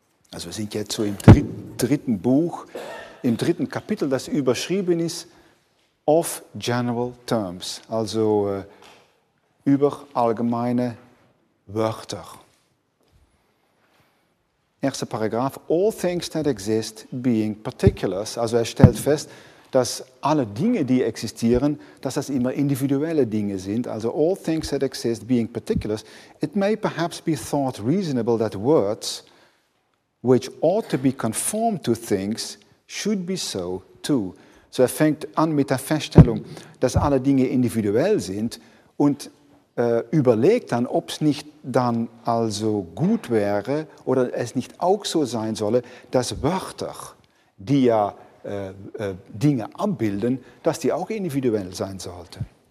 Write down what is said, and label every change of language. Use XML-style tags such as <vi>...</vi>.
<de>Also wir sind jetzt so im dritten Buch, im dritten Kapitel, das überschrieben ist Of General Terms, also über allgemeine Wörter.</de> <en>Erster Paragraph, all things that exist being particulars.</en> <de>Also er stellt fest, dass alle Dinge, die existieren, dass das immer individuelle Dinge sind.</de> <en>Also all things that exist being particulars. It may perhaps be thought reasonable that words which ought to be conformed to things, should be so too.</en> <de>So er fängt an mit der Feststellung, dass alle Dinge individuell sind und überlegt dann, ob es nicht dann also gut wäre oder es nicht auch so sein solle, dass Wörter, die ja Dinge abbilden, dass die auch individuell sein sollten.</de>